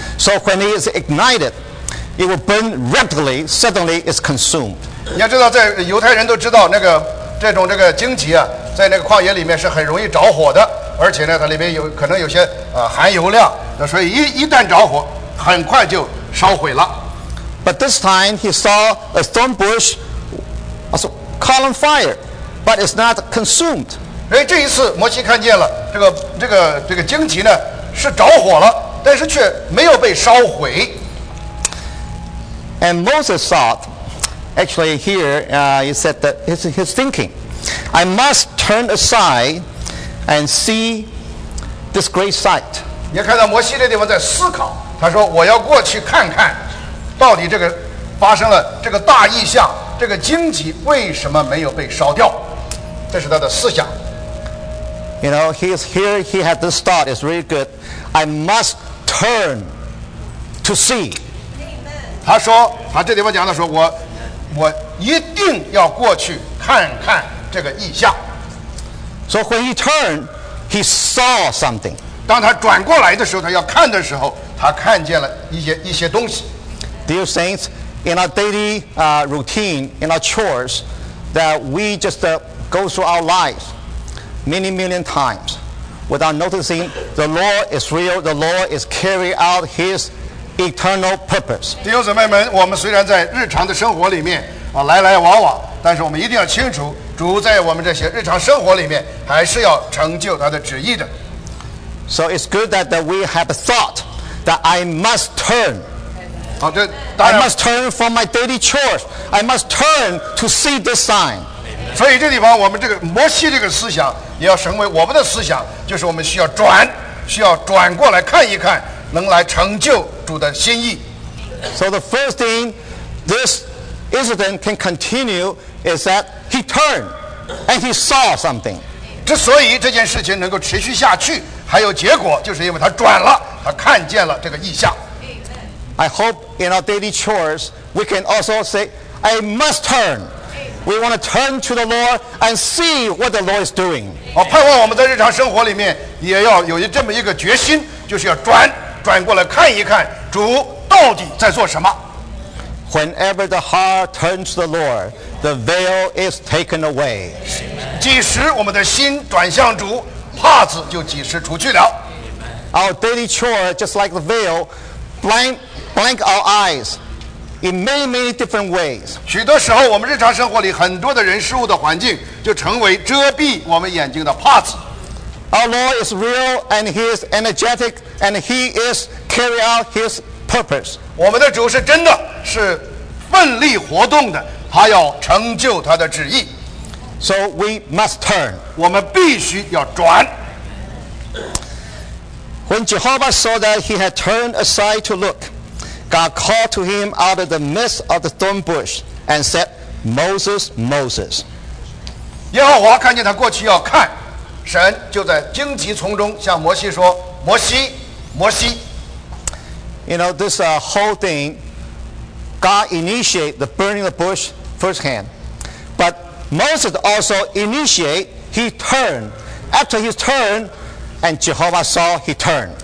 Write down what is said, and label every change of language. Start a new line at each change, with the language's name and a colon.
English: So when it is ignited, it will burn rapidly. Suddenly, it's consumed.
Chinese: 你要知道，在犹太人都知道那个这种这个荆棘啊，在那个旷野里面是很容易着火的，而且呢它里面有可能有些含油量，那所以一旦着火很快就烧毁了。
English: But this time he saw a thorn bush also caught on fire but it's not consumed.
Chinese: 这一次摩西看见了这个荆棘呢是着火了，但是却没有被烧毁。
English: And Moses thought, actually here he said that his thinking, I must turn aside and see this great sight.
Chinese: 你看到摩西这地方在思考，他说我要过去看看到底这个发生了这个大异象，这个荆棘为什么没有被烧掉，这是他的思想。
English: You know, he had this thought, it's really good. I must turn to see.
Chinese: 他说，他这地方讲的说，我一定要过去看看这个异象。
English: So when he turned, he saw something.
Chinese: 当他转过来的时候，他要看的时候，他看见了一些东西。
English: Dear saints, in our daily routine, in our chores, that we just go through our lives. Many million times, without noticing, the Lord is real. The Lord is carrying out His eternal purpose.
Chinese: 弟兄姊妹们，我们虽然在日常的生活里面来来往往，但是我们一定要清楚，主在我们这些日常生活里面还是要成就他的旨意的。
English: So it's good that we have a thought that I must turn.
Chinese: 好，这当然。
English: I must turn from my daily chores. I must turn to see this sign.
Chinese: 所以这地方我们这个摩西这个思想也要成为我们的思想，就是我们需要转过来看一看，能来成就主的心意。
English: So the first thing this incident can continue is that he turned and he saw something.
Chinese: 之所以这件事情能够持续下去还有结果，就是因为他转了，他看见了这个异象。
English: I hope in our daily chores we can also say I must turnWe want to turn to the Lord and see what the Lord is doing.
Chinese: 我盼望我们在日常生活里面也要有这么一个决心，就是要转过来看一看主到底在做什么。
English: Whenever the heart turns to the Lord, the veil is taken away.
Chinese: 即使我们的心转向主，帕子就即时除去了。
English: Our daily chore, just like the veil, blank our eyes. In many, many different ways.
Chinese: 许多时候我们日常生活里很多的人事物的环境就成为遮蔽我们眼睛的帕子。
English: Our Lord is real and He is energetic and He is carrying out His purpose.
Chinese: 我们的主是真的，是奋力活动的，他要成就他的旨意。
English: So we must turn.
Chinese: 我们必须要转。
English: When Jehovah saw that he had turned aside to lookGod called to him out of the midst of the thorn bush and said, Moses, Moses.
Chinese: 耶和华看见他过去要看，神就在荆棘丛中向摩西说，摩西，摩西。
English: You know, this whole thing, God initiated the burning of the bush firsthand. But Moses also initiated, he turned. After his turn, and Jehovah saw he turned.